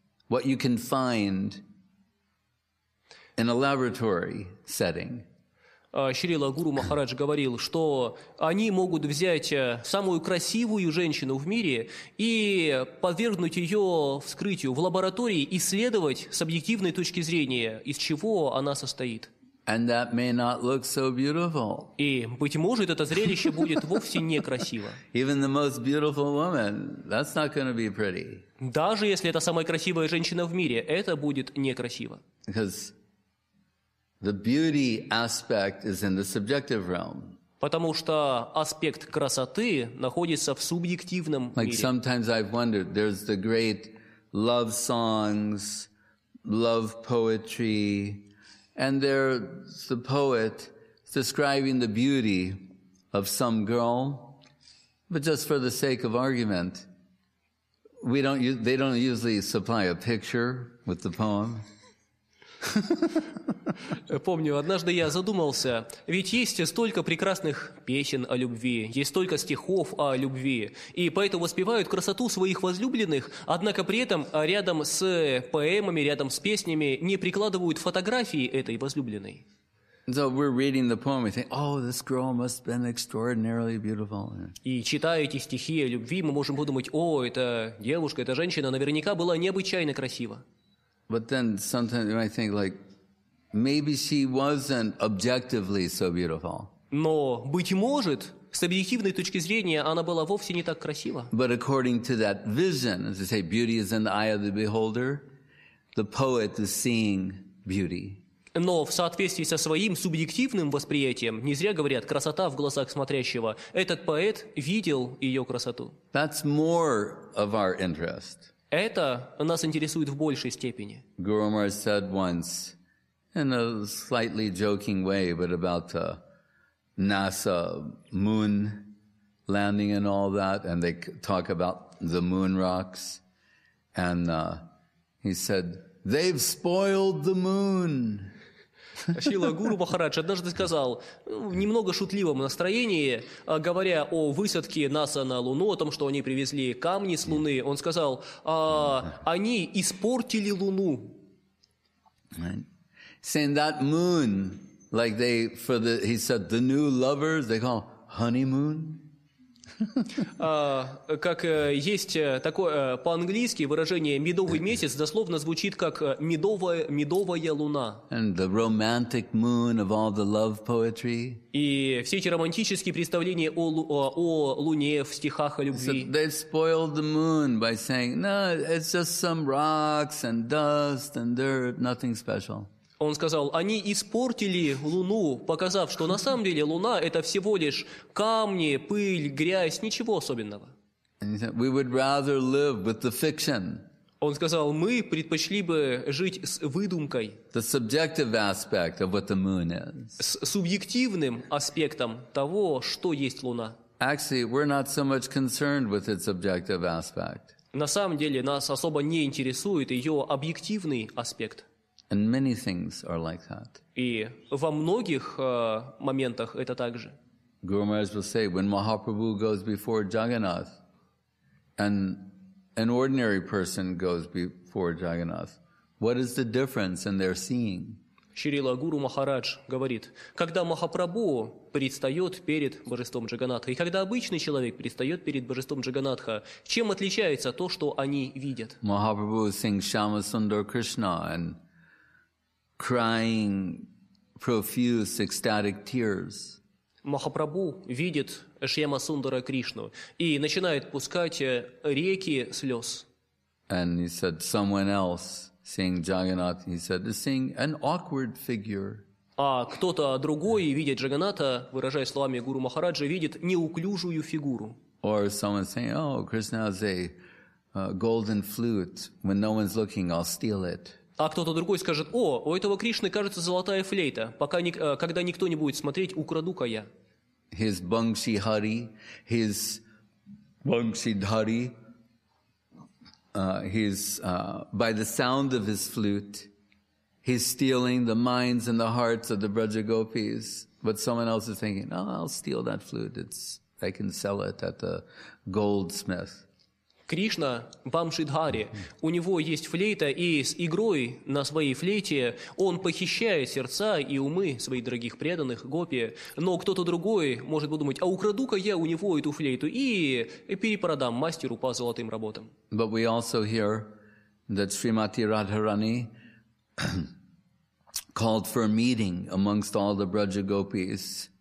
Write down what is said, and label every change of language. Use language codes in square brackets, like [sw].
[en] What you can find in a laboratory setting. [ru] Шрила Гуру Махарадж говорил, что они могут взять самую красивую женщину в мире и подвергнуть ее вскрытию в лаборатории, исследовать с объективной точки зрения, из чего она состоит. [en] And that may not look so beautiful. [ru] И, быть может, это зрелище будет вовсе некрасиво. [en] Even the most beautiful woman, that's not going to be pretty. [ru] Даже если это самая красивая женщина в мире, это будет некрасиво. [en] The beauty aspect is in the subjective realm. [ru] Потому что аспект красоты находится в субъективном мире. [en] Like sometimes I've wondered, there's the great love songs, love poetry, and there's the poet describing the beauty of some girl, but just for the sake of argument, they don't usually supply a picture with the poem. [ru] Помню, однажды я задумался, ведь есть столько прекрасных песен о любви, есть столько стихов о любви, и поэтому воспевают красоту своих возлюбленных, однако при этом рядом с поэмами, рядом с песнями не прикладывают фотографии этой возлюбленной. [en] So we're reading the poem, we think, oh, this girl must have been extraordinarily beautiful. [ru] И читая эти стихи о любви, мы можем подумать, о, эта девушка, эта женщина наверняка была необычайно красива. [en] But then sometimes you might think, like, maybe she wasn't objectively so beautiful. [ru] Но, быть может, с объективной точки зрения, она была вовсе не так красива. [en] But according to that vision, as they say, beauty is in the eye of the beholder, the poet is seeing beauty. [ru] Но в соответствии со своим субъективным восприятием, не зря говорят, красота в глазах смотрящего, этот поэт видел ее красоту. [en] That's more of our interest. [ru] Это нас интересует в большей степени. [en] Guru Maharaj said once, in a slightly joking way, but about the NASA moon landing and all that, and they talk about the moon rocks, and he said, they've spoiled the moon. [ru] Шрила Гуру Махарадж однажды сказал, в немного шутливом настроении, говоря о высадке НАСА на Луну, о том, что они привезли камни с Луны, он сказал, они испортили Луну. [en] Saying that moon, like they, for the, he said, the new lovers, they call honeymoon. [ru] Как есть такое по-английски выражение «медовый месяц» дословно звучит как «медовая луна». [en] And the romantic moon of all the love poetry. [ru] И все эти романтические представления о луне в стихах о любви. [en] So they spoiled the moon by saying, no, it's just some rocks and dust and dirt, nothing special. [ru] Он сказал, они испортили Луну, показав, что на самом деле Луна — это всего лишь камни, пыль, грязь, ничего особенного. [en] We would rather live with the fiction. [ru] Он сказал, мы предпочли бы жить с выдумкой. [en] The subjective aspect of what the moon is. [ru] С субъективным аспектом того, что есть Луна. [en] Actually, we're not so much concerned with its objective aspect. [ru] На самом деле нас особо не интересует ее объективный аспект. [en] And many things are like that. [ru] И во многих моментах это так же. [en] Guru Maharaj will say, when Mahaprabhu goes before Jagannath, and an ordinary person goes before Jagannath, what is the difference in their seeing? [ru] Шрила Гуру Махарадж говорит, когда Махапрабху предстает перед Божеством Джаганнатха, и когда обычный человек предстает перед Божеством Джаганнатха, чем отличается то, что они видят? [en] Mahaprabhu sings Shama Sundar Krishna, and crying profuse ecstatic tears. [ru] Махапрабху видит Шьяма Сундара Кришну и начинает пускать реки слез. [en] And he said, someone else, seeing Jagannath, he said, is seeing an awkward figure. [ru] А кто-то другой, видя Джаганнатха, выражая словами Гуру Махараджа, видит неуклюжую фигуру. [en] Or someone saying, oh, Krishna has a golden flute. When no one's looking, I'll steal it. [ru] А кто-то другой скажет, о, у этого Кришны, кажется, золотая флейта. Пока не, когда никто не будет смотреть, украду-ка я. [en] His Bangshi Hari, his Bangshi Dhari, his, by the sound of his flute, He's stealing the minds and the hearts of the Brajagopis. But someone else is thinking, oh, I'll steal that flute. I can sell it at the goldsmith. [ru] Кришна, Бам Шридхари, у него есть флейта, и с игрой на своей флейте он похищает сердца и умы своих дорогих преданных гопи. Но кто-то другой может подумать, а украду-ка я у него эту флейту и перепродам мастеру по золотым работам. [en] But we also hear that Srimati Radharani called for a meeting amongst all the Brajagopis.